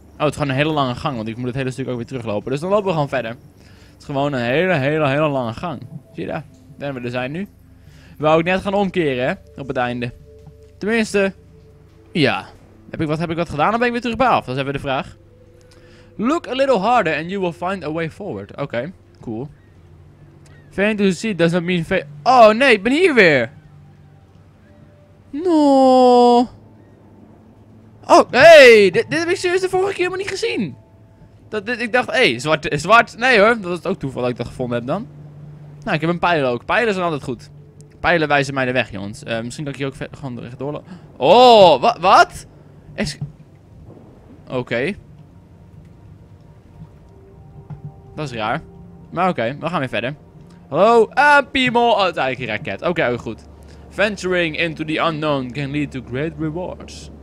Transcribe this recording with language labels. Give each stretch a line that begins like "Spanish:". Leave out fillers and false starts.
Dutch: Oh, het is gewoon een hele lange gang. Want ik moet het hele stuk ook weer teruglopen. Dus dan lopen we gewoon verder. Het is gewoon een hele lange gang. Zie je dat? Daar we er zijn nu. We wou ik net gaan omkeren, hè? Op het einde. Tenminste. Ja. Heb ik wat gedaan? Dan ben ik weer terug bij af. Dat is even de vraag.
English: Look a little harder and you will find a way forward. Oké. Cool. Fan to see does not mean fan.
Dutch: Oh nee, ik ben hier weer. No. Oh, hey, dit heb ik serieus de vorige keer helemaal niet gezien. Ik dacht, hey, zwart. Nee hoor, dat is ook toeval dat ik dat gevonden heb dan. Nou, ik heb een pijlen ook. Pijlen zijn altijd goed. Pijlen wijzen mij de weg, jongens. Misschien kan ik hier ook gewoon recht doorlopen. Oh, wat? Oké. Dat is raar. Maar oké, we gaan weer verder. Hallo, piemel. Oh, het is eigenlijk een raket. Oké, goed.
English: Venturing into the unknown can lead to great rewards.